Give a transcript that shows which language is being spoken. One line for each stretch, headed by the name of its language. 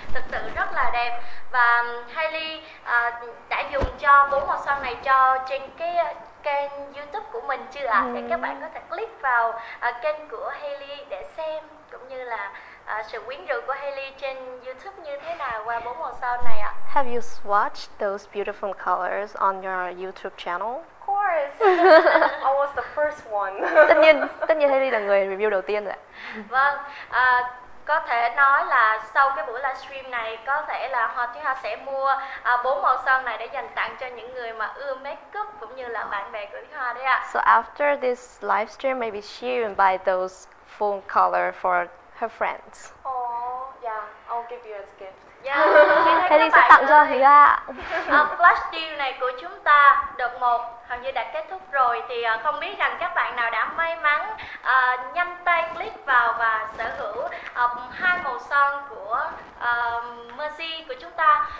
Vietnamese: Thực sự rất là đẹp, và Hailey đã dùng cho bốn màu son này cho trên cái kênh YouTube của mình chưa ạ? Để các bạn có thể click vào kênh của Hailey để xem cũng như là sự quyến rũ của Hailey trên YouTube như thế nào qua bốn màu son này ạ.
English: Have you swatched those beautiful colors on your YouTube channel? Of course. I was the first one.
Vietnamese: Tất nhiên Hailey là người review đầu tiên rồi. Vâng, có thể nói là sau cái buổi livestream này có thể là Hoa Thúy Hoa sẽ mua bốn màu son này để dành tặng cho những người mà ưa makeup cũng như là bạn bè của Hoa đấy ạ.
English: So after this livestream, maybe she will buy those full color for her friends. Oh yeah, I'll give you as a gift.
Vietnamese: Yeah. Hailey sẽ tặng cho Hoa. Flash deal này của chúng ta đợt 1 hầu như đã kết thúc rồi, thì không biết rằng các bạn nào đã may mắn nhanh tay click vào và sở hữu hai màu son của Mercy của chúng ta.